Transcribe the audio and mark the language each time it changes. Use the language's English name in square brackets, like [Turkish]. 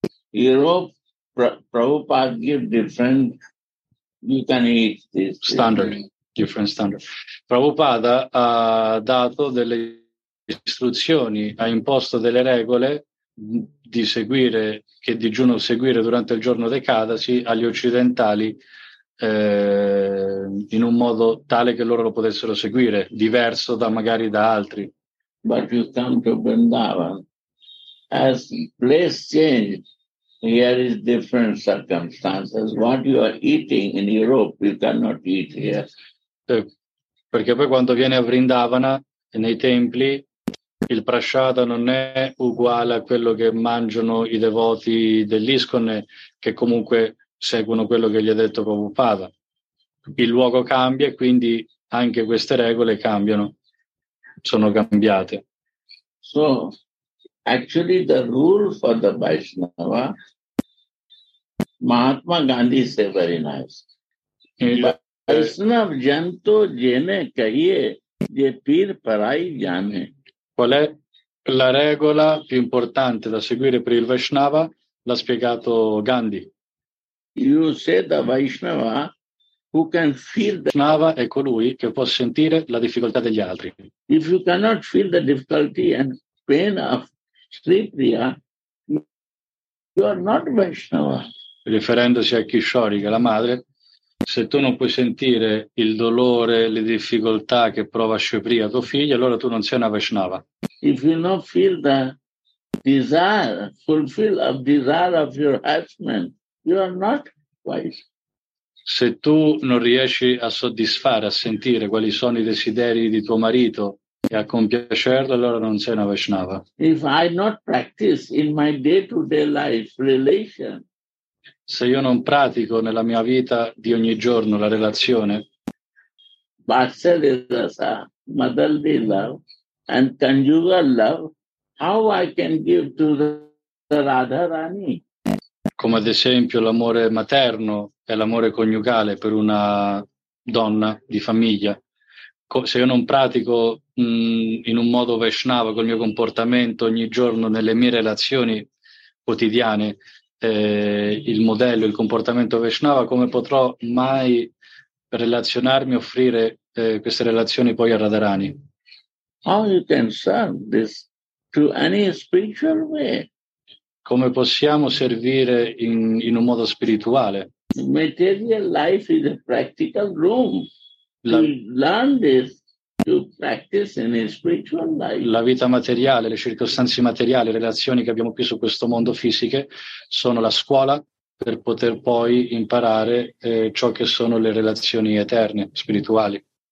[English] In Europe, Prabhupada give different, you can eat this. Standard, different standard. [Italian] Prabhupada ha dato delle istruzioni, ha imposto delle regole di seguire, che digiuno seguire durante il giorno d'Ekadasi agli occidentali in un modo tale che loro lo potessero seguire, diverso da magari da altri. [English] But you come to Vrindavan, as place change, here is different circumstances. What you are eating in Europe, you cannot eat here. [Italian] Perché poi quando viene a Vrindavana, nei templi, il prasciada non è uguale a quello che mangiano i devoti dell'Iscone, che comunque seguono quello che gli ha detto Prabhupada. Il luogo cambia e quindi anche queste regole cambiano, sono cambiate. [English] So, actually the rule for the Vaisnava, Mahatma Gandhi is very nice. [Gujarati] Vaisnava janto jene kahiye, je peer parai jane. [Italian] Qual è la regola più importante da seguire per il Vaisnava? L'ha spiegato Gandhi. [English] You say the Vaisnava who can feel the [Italian] Vaisnava è colui che può sentire la difficoltà degli altri. [English] If you cannot feel the difficulty and pain of Sri Priya, you are not Vaisnava. [Italian] Riferendosi a Kishori, che è la madre, se tu non puoi sentire il dolore, le difficoltà che prova Shapriya, tuo figlio, allora tu non sei una Vaisnava. [English] If you not feel the desire, fulfill of desire of your husband, you are not wise. [Italian] Se tu non riesci a soddisfare, a sentire quali sono i desideri di tuo marito e a compiacerlo, allora non sei una Vaisnava. [English] If I not practice in my day-to-day life relation, [Italian] se io non pratico nella mia vita di ogni giorno la relazione, [English] Vatsalya, motherly love and conjugal love, how I can give to the Radharani? [Italian] Come ad esempio l'amore materno e l'amore coniugale per una donna di famiglia. Se io non pratico in un modo Vaisnava col mio comportamento ogni giorno nelle mie relazioni quotidiane, il modello, il comportamento Vaisnava, come potrò mai relazionarmi, offrire queste relazioni poi a Radharani? [English] How you can serve this to any spiritual way? [Italian] Come possiamo servire in un modo spirituale? [English] Material life is a practical room. Learn this to practice in a spiritual life. [Italian] La vita materiale, le circostanze materiali, le relazioni che abbiamo qui su questo mondo fisiche sono la scuola per poter poi imparare ciò che sono le relazioni eterne, spirituali.